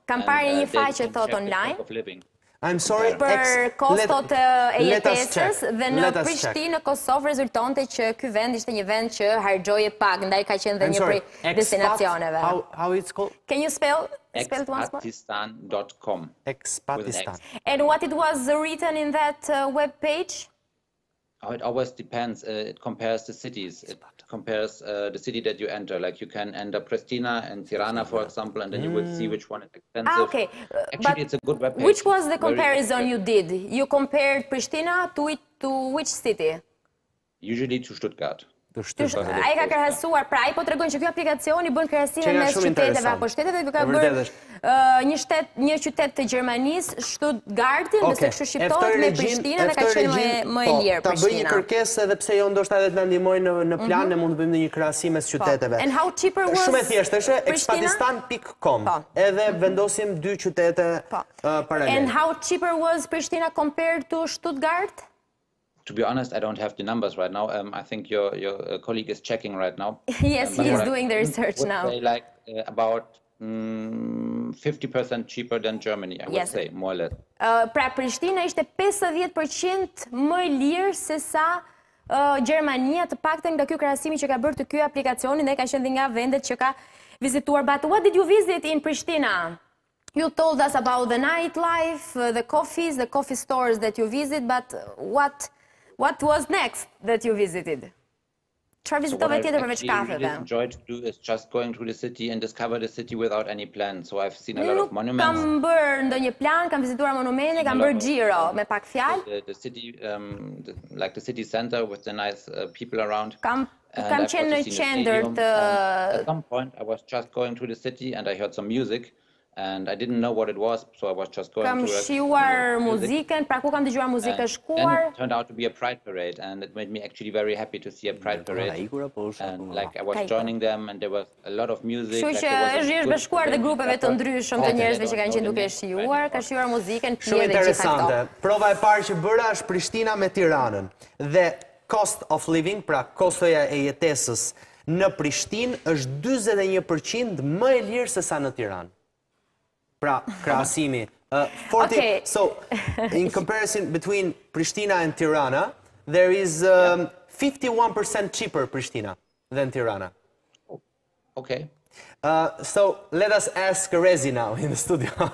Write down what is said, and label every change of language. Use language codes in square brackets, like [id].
[sq] Kam parë një faqe që thot online. [en] I'm sorry, [sq] për kostot e jetesës dhe në Prishtinë, në Kosovë rezultonte që ky vend ishte një vend që harxhoje pak, ndaj ka qenë dhe një prej destinacioneve. [en] How it's called? Can you spell it once more? Expatistan.com. Expatistan. And what it was written in that web page? Oh, it always depends. It compares the cities. Compares the city that you enter. Like you can enter Pristina and Tirana, for example, and then you will see which one is expensive. Ah, okay. Actually, it's a good webpage. Which was the comparison you did? You compared Pristina to which city? Usually to Stuttgart. [sq] Ai ka krahasuar, pra ai po tregon që ky aplikacion i bën krahasime mes qyteteve apo shteteve, kjo ka bërë një qytet të Gjermanisë, Stuttgartin, nëse kështu shqiptohet me Prishtinën, ka qenë më e lirë Prishtina. Ta bëj një kërkesë edhe pse jo ndoshta edhe të na ndihmojnë në plan, ne mund të bëjmë një krahasim mes qyteteve. [en] And how cheaper was [sq] shumë e thjeshtë, është expatistan.com. Edhe vendosim dy qytete paralel. [en] And how cheaper was Prishtina compared to Stuttgart? To be honest, I don't have the numbers right now. I think your colleague is checking right now. Yes, he is doing the research now. Would say like about 50% cheaper than Germany, I would say, more or less. [sq] Pra Prishtina ishte 50% më lirë se sa Gjermania, të paktën nga ky krahasimi që ka bërë të ky aplikacioni, ne ka qenë nga vendet që ka vizituar. [en] But what did you visit in Prishtina? You told us about the nightlife, the coffee stores that you visit, but what was next that you visited? [sq] Çfarë vizitove tjetër përveç kafeve? [en] What I enjoyed to do is just going through the city and discover the city without any plan. So I've seen a lot of monuments. [sq] Kam bërë ndonjë plan, kam vizituar monumente, kam bërë giro me pak fjalë. [en] The city like the city center with the nice people around. [sq] Kam qenë në qendër të [en] At some point I was just going through the city and I heard some music. And I didn't know what it was, so I was just going [sq] kam shijuar muzikën, pra ku kam dëgjuar muzikë shkuar. [en] And it turned out to be a pride parade, and it made me actually very happy to see a pride parade. And like I was joining them, and there was a lot of music. [sq] Kështu që është zhvillim bashkuar dhe grupeve të ndryshëm të njerëzve që kanë qenë duke shijuar, ka shijuar muzikën, pjesë gjithë ato. Shumë interesante. Prova e parë që bëra është Prishtina me Tiranën. Dhe [en] cost of living, [sq] pra kostoja e jetesës në Prishtinë është 41% më e lirë se sa në Tiranë. Pra, krahasimi. [en] So, in comparison between Prishtina and Tirana, there is 51% cheaper Prishtina than Tirana. Okay. So, let us ask Rezi now in the studio.